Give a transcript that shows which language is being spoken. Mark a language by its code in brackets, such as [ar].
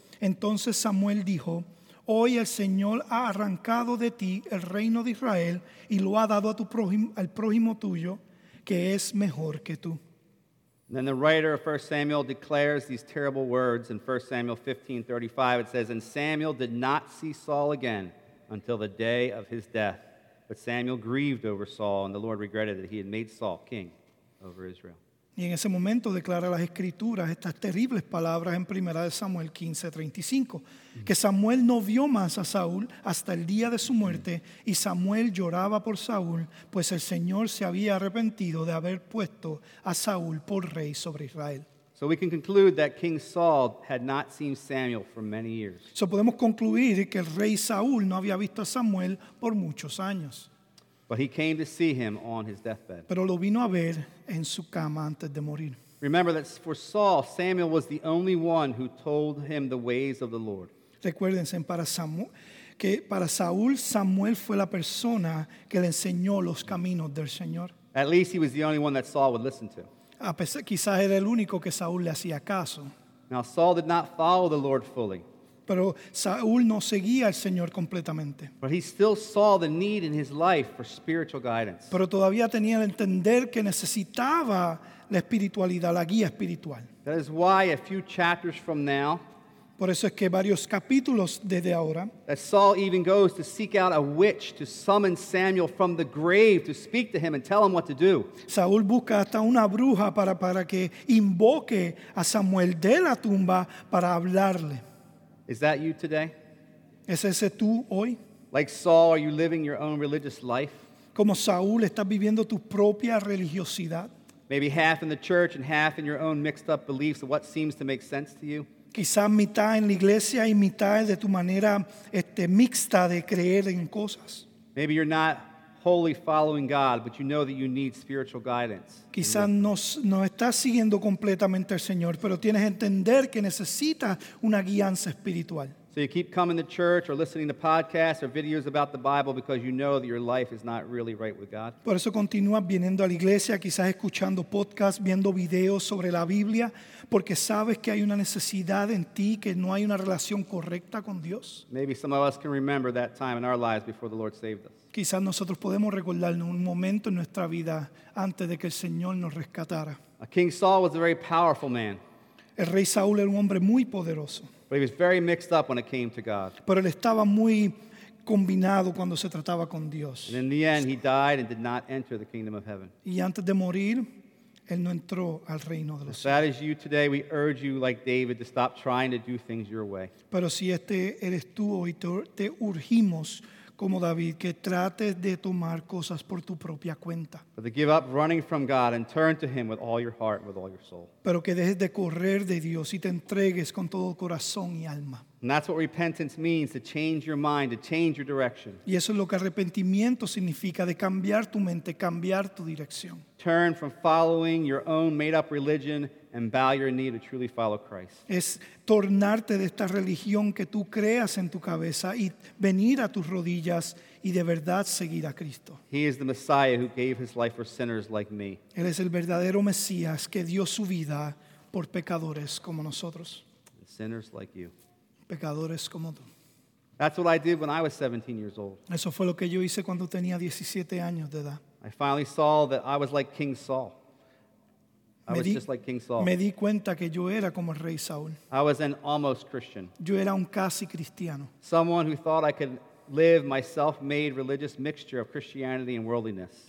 [es] Entonces Samuel dijo, Hoy el Señor ha arrancado de ti el reino de Israel y lo ha dado a tu prójimo, al prójimo tuyo, que es mejor que tú. [en] Then the writer of 1 Samuel declares these terrible words in 1 Samuel 15, 35. It says, And Samuel did not see Saul again until the day of his death. But Samuel grieved over Saul, and the Lord regretted that he had made Saul king over Israel. [es] Y en ese momento declara las escrituras estas terribles palabras en 1 Samuel 15, 35, que Samuel no vio más a Saúl hasta el día de su muerte y Samuel lloraba por Saúl, pues el Señor se había arrepentido de haber puesto a Saúl por rey sobre Israel. [en] So we can conclude that King Saul had not seen Samuel for many years. [es] So podemos concluir que el rey Saúl no había visto a Samuel por muchos años. [en] But he came to see him on his deathbed. [es] Pero lo vino a ver en su cama antes de morir. [en] Remember that for Saul, Samuel was the only one who told him the ways of the Lord. [es] Recuérdense para Saúl, Samuel fue la persona que le enseñó los caminos del Señor. [en] At least he was the only one that Saul would listen to. [es] Quizás era el único que Saúl le hacía caso. [en] Now Saul did not follow the Lord fully. [es] Pero Saúl no seguía al Señor completamente. [en] But he still saw the need in his life for spiritual guidance. [es] Pero todavía tenía el entender que necesitaba la espiritualidad, la guía espiritual. [en] That is why a few chapters from now, [es] por eso es que varios capítulos desde ahora, [en] that Saul even goes to seek out a witch to summon Samuel from the grave to speak to him and tell him what to do. [es] Saúl busca hasta una bruja para que invoque a Samuel de la tumba para hablarle. [en] Is that you today? [es] ¿Es ese tú hoy? [en] Like Saul, are you living your own religious life? [es] Como Saúl, ¿estás viviendo tu propia religiosidad? [en] Maybe half in the church and half in your own mixed up beliefs of what seems to make sense to you? [es] Quizás mitad en la iglesia y mitad de tu manera mixta de creer en cosas. [en] Maybe you're not wholly following God, but you know that you need spiritual guidance. [es] Quizás no estás siguiendo completamente al Señor, pero tienes que entender que necesitas una guianza espiritual. [en] So you keep coming to church or listening to podcasts or videos about the Bible because you know that your life is not really right with God. [es] Por eso continúas viniendo a la iglesia, quizás escuchando podcasts, viendo videos sobre la Biblia, porque sabes que hay una necesidad en ti, que no hay una relación correcta con Dios. [en] Maybe some of us can remember that time in our lives before the Lord saved us. [es] Quizás nosotros podemos recordarnos un momento en nuestra vida antes de que el Señor nos rescatara. [en] King Saul was a very powerful man. [es] El rey Saúl era un hombre muy poderoso. [en] But he was very mixed up when it came to God. [es] Pero él estaba muy combinado cuando se trataba con Dios. [en] And in the end, he died and did not enter the kingdom of heaven. [es] Y antes de morir, él no entró al reino de los [en] cielos. If that is you today, we urge you, like David, to stop trying to do things your way. [es] Pero si este eres tú hoy, te urgimos como David, que trates de tomar cosas por tu propia cuenta. [en] But to give up running from God and turn to Him with all your heart, with all your soul. [es] Pero que dejes de correr de Dios y te entregues con todo corazón y alma. [en] And that's what repentance means, to change your mind, to change your direction. [es] Y eso es lo que arrepentimiento significa, de cambiar tu mente, cambiar tu dirección. [en] Turn from following your own made-up religion and bow your knee to truly follow Christ. [es] Es tornarte de esta religión que tú creas en tu cabeza y venir a tus rodillas y de verdad seguir a Cristo. [en] He is the Messiah who gave his life for sinners like me. [es] Él es el verdadero Mesías que dio su vida por pecadores como nosotros. [en] Sinners like you. [es] Pecadores como tú. [en] That's what I did when I was 17 years old. [es] Eso fue lo que yo hice cuando tenía 17 años de edad. [en] I finally saw that I was like King Saul. I was just like King Saul. [es] Me di cuenta que yo era como el rey Saúl. [en] I was an almost Christian. [es] Yo era un casi cristiano. [en] Someone who thought I could live my self-made religious mixture of Christianity and worldliness.